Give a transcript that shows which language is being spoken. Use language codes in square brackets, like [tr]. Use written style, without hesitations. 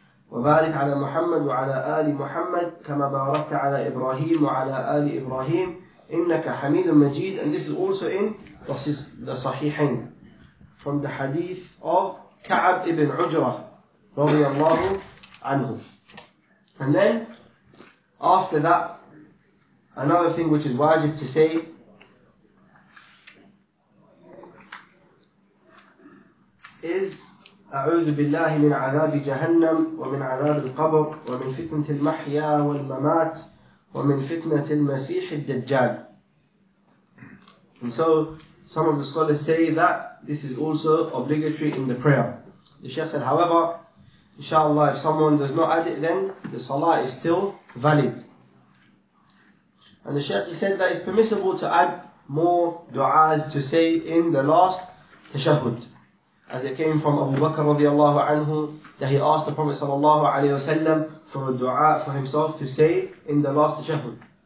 [ar] وبارك على محمد وعلى آل محمد كما باركت على إبراهيم وعلى آل إبراهيم إنك حميد مجيد. [en] And this is also in the Sahihain, from the hadith of Ka'ab ibn Ujra [ar] رضي الله عنه. [en] And then after that, another thing which is wajib to say is [ar] أعوذ بالله من عذاب جهنم ومن عذاب القبر ومن فتنة المحيا والممات ومن فتنة المسيح الدجال. [en] And so some of the scholars say that this is also obligatory in the prayer. The Shaykh said, however, inshallah, if someone does not add it, then the salah is still valid. And the Shaykh, he said that it's permissible to add more du'as to say in the last tashahud, as it came from Abu Bakr radiallahu anhu, that he asked the Prophet sallallahu alayhi wa sallam for a dua for himself to say in the last tashahud.